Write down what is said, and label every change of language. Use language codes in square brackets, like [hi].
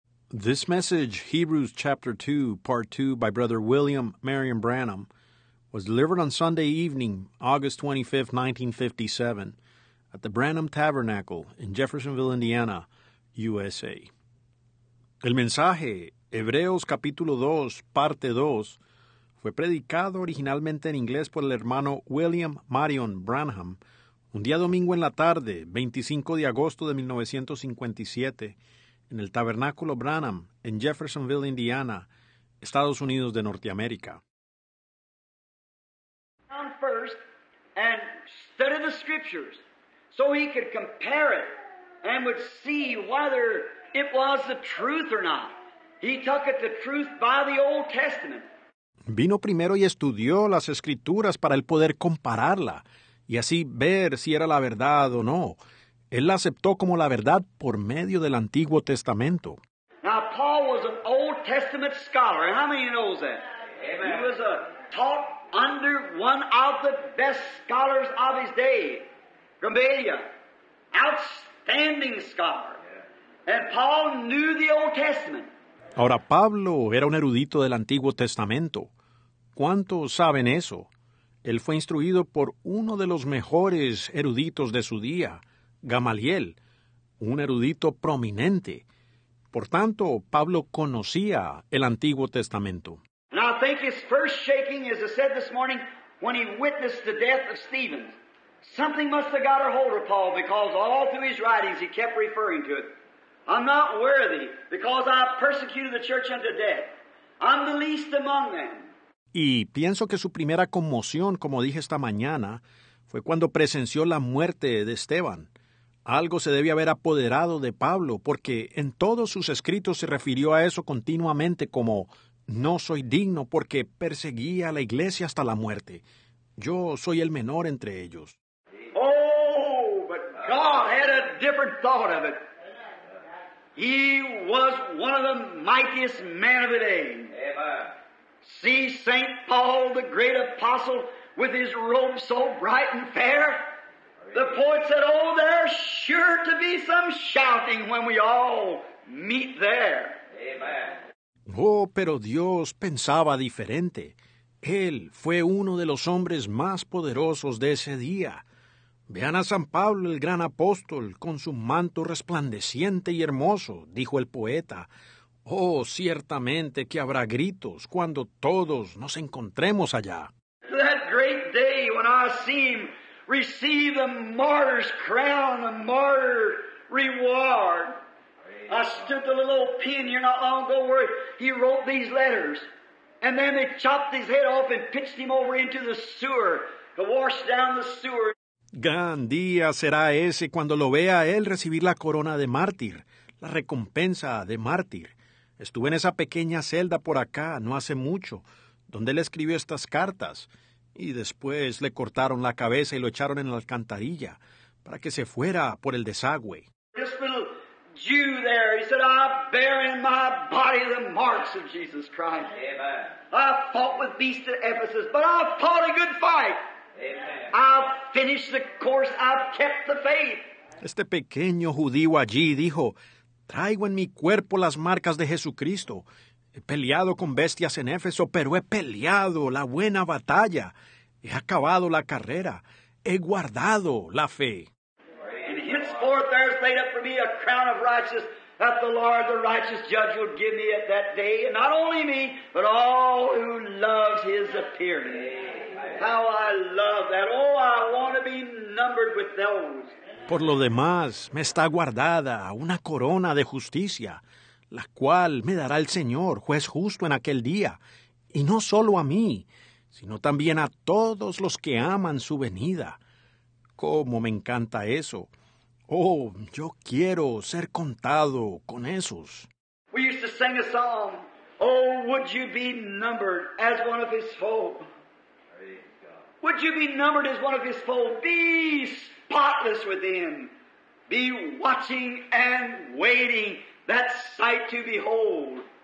[en] This message, Hebrews chapter 2, part 2, by Brother William Marion Branham, was delivered on Sunday evening, August 25, 1957, at the Branham Tabernacle in Jeffersonville, Indiana, USA. [es] El mensaje, Hebreos capítulo 2, parte 2, fue predicado originalmente en inglés por el hermano William Marion Branham un día domingo en la tarde, 25 de agosto de 1957, en el Tabernáculo Branham, en Jeffersonville, Indiana, Estados Unidos de Norteamérica. [en] First and study the scriptures so he could compare it and would see whether it was the truth or not. He took it the truth by the Old Testament. [es] Vino primero y estudió las escrituras para él poder compararla y así ver si era la verdad o no. Él la aceptó como la verdad por medio del Antiguo Testamento. [en] Now, Paul was an Old Testament scholar. How many knows that? Amen. He was a taught under one of the best scholars of his day, Gamaliel, outstanding scholar. And Paul knew the Old Testament. [es] Ahora, Pablo era un erudito del Antiguo Testamento. ¿Cuántos saben eso? Él fue instruido por uno de los mejores eruditos de su día, Gamaliel, un erudito prominente. Por tanto, Pablo conocía el Antiguo Testamento. [en] Now, I think his first shaking, as I said this morning, when he witnessed the death of Stephen. Something must have got a hold of Paul, because all through his writings he kept referring to it. I'm not worthy, because I persecuted the church unto death. I'm the least among them. [es] Y pienso que su primera conmoción, como dije esta mañana, fue cuando presenció la muerte de Esteban. Algo se debe haber apoderado de Pablo, porque en todos sus escritos se refirió a eso continuamente como: no soy digno porque perseguí a la iglesia hasta la muerte. Yo soy el menor entre ellos. [en] Oh, but God had a different thought of it. He was one of the mightiest men of the day. Amen. See St. Paul, the great apostle, with his robe so bright and fair. The poet said, oh, there's sure to be some shouting when we all meet there. Amen. [es] Oh, pero Dios pensaba diferente. Él fue uno de los hombres más poderosos de ese día. Vean a San Pablo, el gran apóstol, con su manto resplandeciente y hermoso, dijo el poeta. Oh, ciertamente que habrá gritos cuando todos nos encontremos allá. [en] That great day when I see him receive the martyr's crown, the martyr reward. I stood the little old pen here not long ago where he wrote these letters. And then they chopped his head off and pitched him over into the sewer to wash down the sewer. [es] Gran día será ese cuando lo vea a él recibir la corona de mártir, la recompensa de mártir. Estuve en esa pequeña celda por acá no hace mucho, donde él escribió estas cartas. Y después le cortaron la cabeza y lo echaron en la alcantarilla para que se fuera por el desagüe. [en] Jew there, he said, I bear in my body the marks of Jesus Christ. Amen. I fought with beasts at Ephesus, but I fought a good fight. Amen. I've finished the course, I've kept the faith. [es] Este pequeño judío allí dijo, traigo en mi cuerpo las marcas de Jesucristo. He peleado con bestias en Éfeso, pero he peleado la buena batalla. He acabado la carrera. He guardado la fe. [en] Henceforth there is laid up for me a crown of righteousness that the Lord, the righteous judge, will give me at that day. And not only me, but all who loves his appearing. How I love that. Oh, I want to be numbered with those. [es] Por lo demás, me está guardada una corona de justicia, la cual me dará el Señor, juez justo en aquel día. Y no solo a mí, sino también a todos los que aman su venida. ¡Cómo me encanta eso! Oh, yo quiero ser contado con esos. [en] We used to sing a song, oh, would you be numbered as one of his fold? Would you be numbered as one of his fold? Be spotless within. Be watching and waiting that sight to behold.